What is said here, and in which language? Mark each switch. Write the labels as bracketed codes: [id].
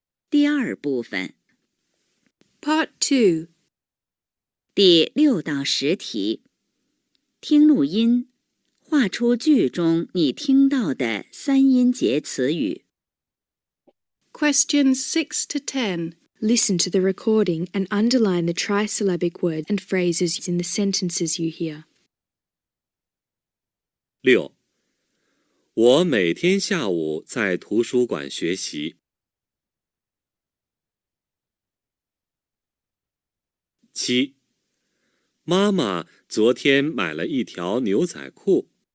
[zh] 第二部分 [en] ，Part Two。 [zh] 第六到十题，听录音，画出句中你听到的三音节词语。 [en] Questions 6 to 10. Listen to the recording and underline the trisyllabic words and phrases in the sentences you hear. [zh] 六，我每天下午在图书馆学习。七，妈妈昨天买了一条牛仔裤。